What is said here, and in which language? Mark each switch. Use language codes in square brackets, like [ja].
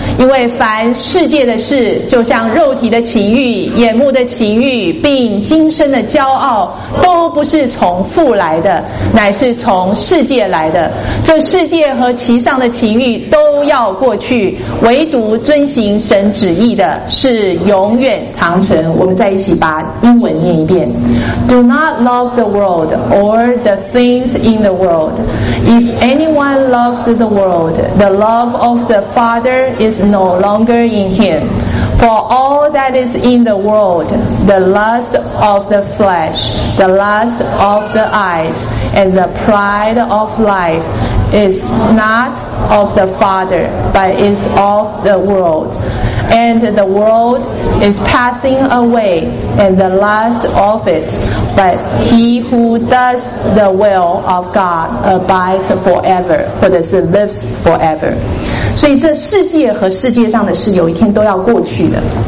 [zh] 因为凡世界的事，就像肉体的情欲、眼目的情欲，并今生的骄傲，都不是从父来的，乃是从世界来的。这世界和其上的情欲都要过去，唯独遵行神旨意的是永远长存。我们再一起把英文念一遍。 [en] Do not love the world or the things in the world. If anyone loves the world, the love of the Father is no longer in him. For all that is in the world, the lust of the flesh, the lust of the eyes, and the pride of life is not of the Father, but is of the world. And the world is passing away, and the lust of it. But he who does the will of God abides forever, [zh] 或者是 [en] lives forever. [zh] 所以这世界和世界上的事有一天都要过去的。